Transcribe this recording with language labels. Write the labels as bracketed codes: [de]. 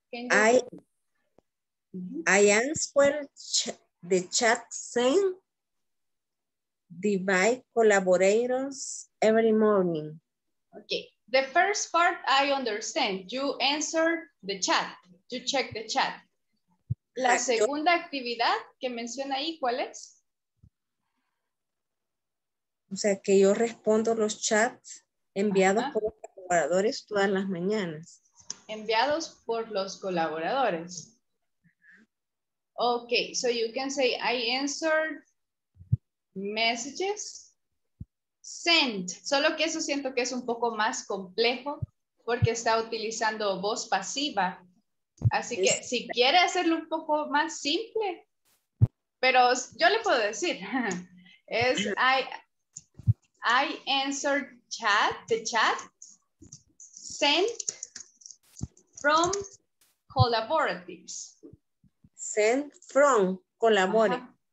[en] I answer the chat saying divide collaborators every morning. Okay, the first part I understand. You answer the chat, you check the chat. [es] La segunda actividad que menciona ahí, ¿cuál es? O sea, que yo respondo los chats enviados por los colaboradores todas las mañanas. Enviados por los colaboradores. [en] Okay, so you can say I answered messages sent. [es] Solo que eso siento que es un poco más complejo porque está utilizando voz pasiva. Así que si quiere hacerlo un poco más simple, pero yo le puedo decir. Es [en] I answered the chat sent from collaboratives. Sent from collaborative.